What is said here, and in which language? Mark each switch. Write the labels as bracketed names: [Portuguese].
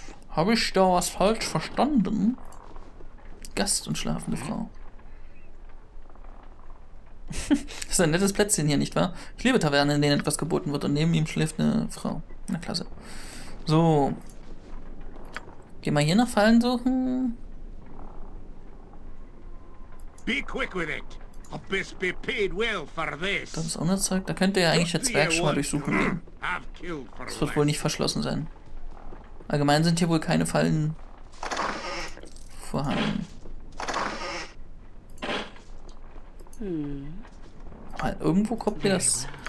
[German] Habe ich da was falsch verstanden? Gast und schlafende Frau. Das ist ein nettes Plätzchen hier, nicht wahr? Ich liebe Tavernen, in denen etwas geboten wird und neben ihm schläft eine Frau. Na klasse. So. Gehen wir hier nach Fallen suchen. [English] Be quick with it. Best be paid well for this. [German] Das ist unser Zeug. Da könnte ja eigentlich der Zwerg schon mal durchsuchen gehen. Das wird wohl nicht verschlossen sein. Allgemein sind hier wohl keine Fallen vorhanden. Aber irgendwo kommt mir das.